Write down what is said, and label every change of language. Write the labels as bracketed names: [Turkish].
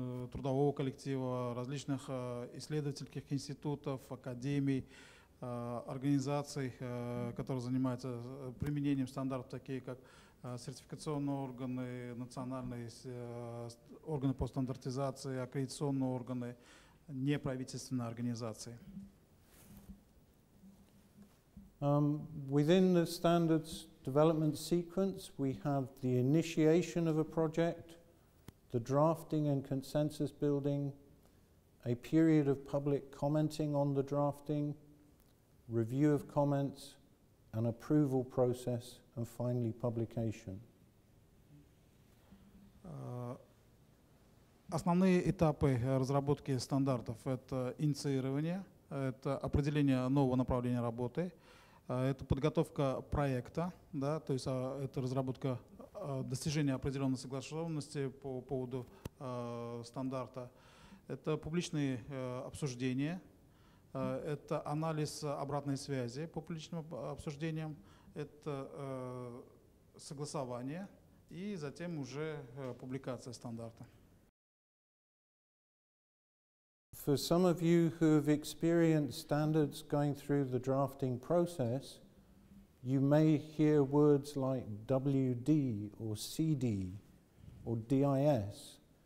[Russian] трудового коллектива, различных исследовательских институтов, академий, организаций, которые занимаются применением стандартов, такие как сертификационные органы, национальные органы по стандартизации, аккредитационные органы, неправительственные организации. [English] Within the standards development sequence, we have the initiation of a project, the drafting and consensus building, a period of public commenting on the drafting, review of comments, an approval process, and finally publication. [Russian] Основные этапы разработки стандартов – это инициирование, это определение нового направления работы, это подготовка проекта, да, то есть это разработка достижения определенной согласованности по поводу стандарта, это публичные обсуждения, это анализ обратной связи по публичным обсуждениям, это согласование и затем уже публикация стандарта. [English] For some of you who have experienced standards going through the drafting process, you may hear words like WD or CD or DIS.